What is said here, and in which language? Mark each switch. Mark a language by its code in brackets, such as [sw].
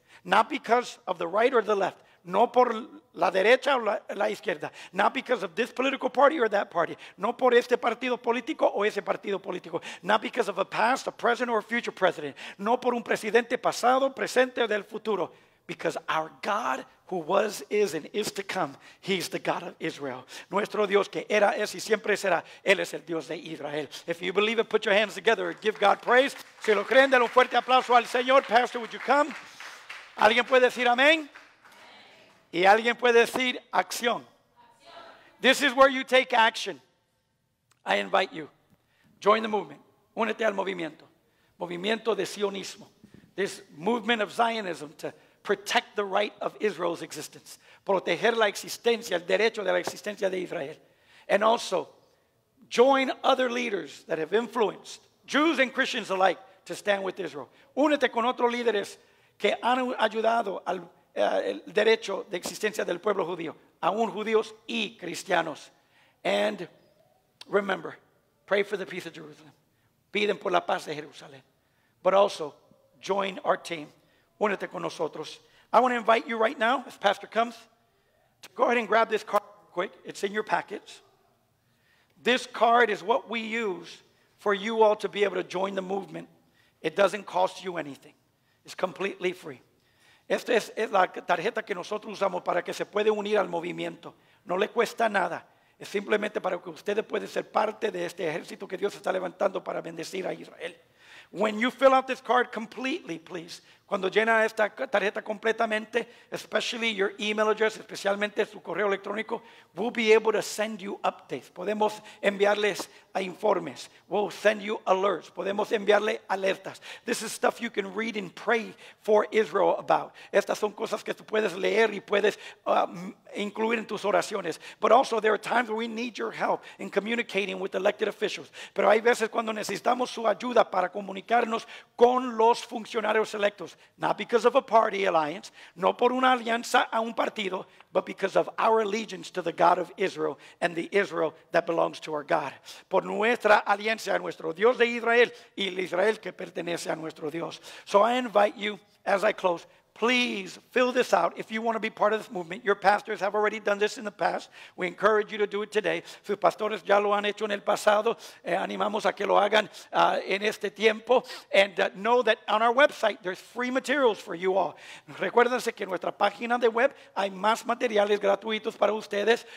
[en] Not because of the right or the left. [es] No por la derecha o la izquierda. [en] Not because of this political party or that party. [es] No por este partido político o ese partido político. [en] Not because of a past, a present, or a future president. [es] No por un presidente pasado, presente, o del futuro. [en] Because our God, who was, is, and is to come, he's the God of Israel. [es] Nuestro Dios que era, es, y siempre será, él es el Dios de Israel. [en] If you believe it, put your hands together and give God praise. [es] Si lo creen, denle un fuerte aplauso al Señor. [en] Pastor, would you come? [es] ¿Alguien puede decir amén? Y alguien puede decir acción. [en] This is where you take action. I invite you. Join the movement. [es] Únete al movimiento. Movimiento de sionismo. [en] This movement of Zionism to protect the right of Israel's existence. [es] Proteger la existencia, el derecho de la existencia de Israel. [en] And also, join other leaders that have influenced Jews and Christians alike to stand with Israel. [es] Únete con otros líderes que han ayudado al el derecho de existencia del pueblo judío, aún judíos y cristianos. [en] And remember, pray for the peace of Jerusalem. [es] Piden por la paz de Jerusalén. [en] But also, join our team. [es] Únete con nosotros. [en] I want to invite you right now, as pastor comes, to go ahead and grab this card quick. It's in your packets. This card is what we use for you all to be able to join the movement. It doesn't cost you anything. It's completely free. [es] Esta es la tarjeta que nosotros usamos para que se puede unir al movimiento. No le cuesta nada. Es simplemente para que ustedes puedan ser parte de este ejército que Dios está levantando para bendecir a Israel. [en] When you fill out this card completely, please. [es] Cuando llena esta tarjeta completamente, [en] especially your email address, [es] especialmente su correo electrónico, [en] we'll be able to send you updates. [es] Podemos enviarles informes. [en] We'll send you alerts. [es] Podemos enviarle alertas. [en] This is stuff you can read and pray for Israel about. [es] Estas son cosas que tú puedes leer y puedes incluir en tus oraciones. [en] But also, there are times where we need your help in communicating with elected officials. [es] Pero hay veces cuando necesitamos su ayuda para comunicarnos con los funcionarios electos. [en] Not because of a party alliance, [es] no por una alianza a un partido, [en] but because of our allegiance to the God of Israel and the Israel that belongs to our God. [es] Por nuestra alianza a nuestro Dios de Israel y el Israel que pertenece a nuestro Dios. [en] So I invite you, as I close, please fill this out if you want to be part of this movement. Your pastors have already done this in the past. We encourage you to do it today. [es] Sus pastores ya lo han hecho en el pasado. Animamos a que lo hagan en este tiempo. [en] And know that on our website, there's free materials for you all. [es] Recuérdense que en nuestra página de web hay más materiales gratuitos para ustedes.